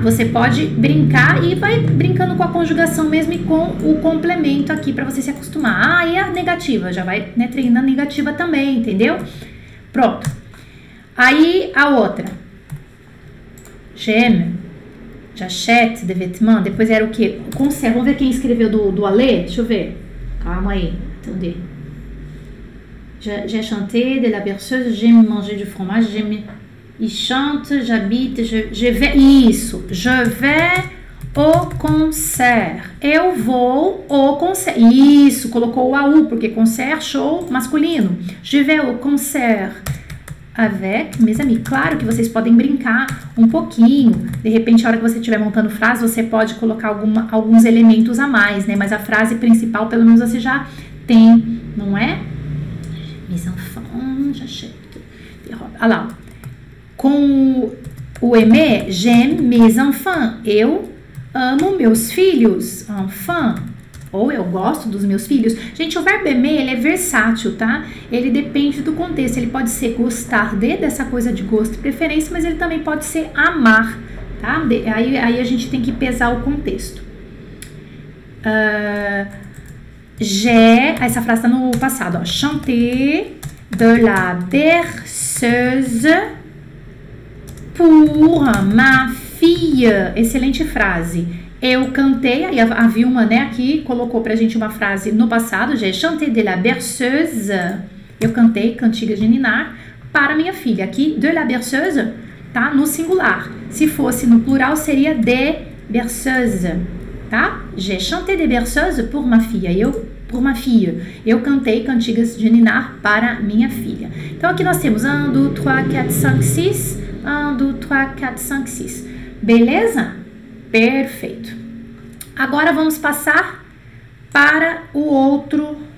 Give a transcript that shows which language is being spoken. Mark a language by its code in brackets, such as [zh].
[pt] Você pode brincar e vai brincando com a conjugação mesmo e com o complemento aqui para você se acostumar. Ah, e a negativa, já vai, né, treinando a negativa também, entendeu? Pronto. Aí a outra. [fr] J'aime, j'achète de vêtements. [pt] Depois era o quê? Conselho. Vamos ver quem escreveu do Alê? Deixa eu ver. Calma aí, entender. [fr] J'ai chanté de la berceuse, j'aime manger du fromage, j'aime. Il chante, j'habite, je vais. Isso. Je vais au concert. [pt] Eu vou [fr] au concert. [pt] Isso, colocou o AU, porque concert, show masculino. [fr] Je vais au concert avec mes amis. [pt] Claro que vocês podem brincar um pouquinho. De repente, a hora que você estiver montando frase, você pode colocar alguns elementos a mais, né? Mas a frase principal, pelo menos, você já tem, não é? [fr] Mes enfants, j'achète des robes. [pt] Ah lá. Com o [fr] aimer, j'aime mes enfants. [pt] Eu amo meus filhos. Enfant. Ou eu gosto dos meus filhos. Gente, o verbo aimer, ele é versátil, tá? Ele depende do contexto. Ele pode ser gostar dessa coisa de gosto e preferência, mas ele também pode ser amar, tá? Aí a gente tem que pesar o contexto. J'ai. Essa frase tá no passado, ó. Chanter. [fr] De la berceuse pour ma fille. [pt] Excelente frase. Eu cantei, aí a Vilma, né, aqui colocou pra gente uma frase no passado. [fr] J'ai chanté de la berceuse. [pt] Eu cantei, cantiga de ninar, para minha filha. Aqui, [fr] de la berceuse, [pt] tá no singular. Se fosse no plural, seria de berceuse, tá? [fr] J'ai chanté de berceuse pour ma fille. [pt] Por uma filha. Eu cantei cantigas de ninar para minha filha. Então aqui nós temos 1, 2, 3, 4, 5, 6. 1, 2, 3, 4, 5, 6. Beleza? Perfeito. Agora vamos passar para o outro.